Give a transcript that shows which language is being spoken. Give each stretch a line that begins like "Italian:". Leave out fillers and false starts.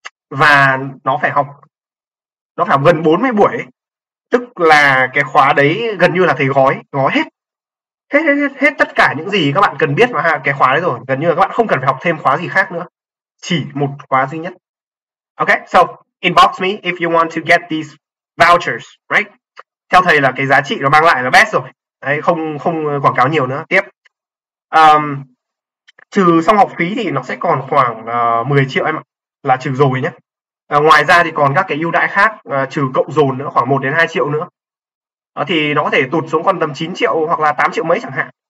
Vietnamese: Và nó phải học gần 40 buổi ấy. Tức là cái khóa đấy gần như là thầy gói hết. Hết, hết, hết, hết tất cả những gì các bạn cần biết vào cái khóa đấy rồi, gần như là các bạn không cần phải học thêm khóa gì khác nữa, chỉ một khóa duy nhất.
English: Ok, so inbox me if you want to get these vouchers, right?
Vietnamese: Theo thầy là cái giá trị nó mang lại là best rồi đấy, không không quảng cáo nhiều nữa. Tiếp, trừ xong học phí thì nó sẽ còn khoảng 10 triệu em ạ, là trừ rồi nhé. Ngoài ra thì còn các cái ưu đãi khác, trừ cộng dồn nữa khoảng 1 đến 2 triệu nữa, thì nó có thể tụt xuống còn tầm 9 triệu hoặc là 8 triệu mấy chẳng hạn.